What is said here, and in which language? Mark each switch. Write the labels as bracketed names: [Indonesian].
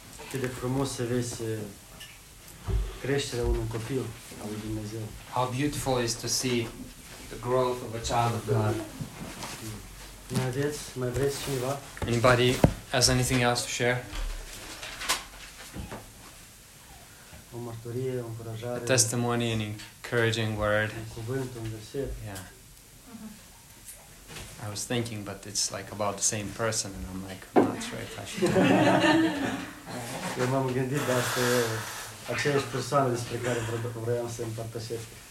[Romanian] Cât de frumos să vezi creșterea unui copil al lui Dumnezeu. [English] How beautiful is to see the growth of a child of God. [Romanian] Mai vreți cineva? [English] Anybody has anything else to share? [Romanian] O mărturie, o încurajare. [English] A testimony, an encouraging word. [Romanian] Un cuvânt, un verset. [English] Yeah. I was thinking, but it's like about the same person, and I'm like, I'm not sure if I should. [Romanian] Eu m-am gândit, dar să... Aceeași persoană despre care vreau să împărtășesc.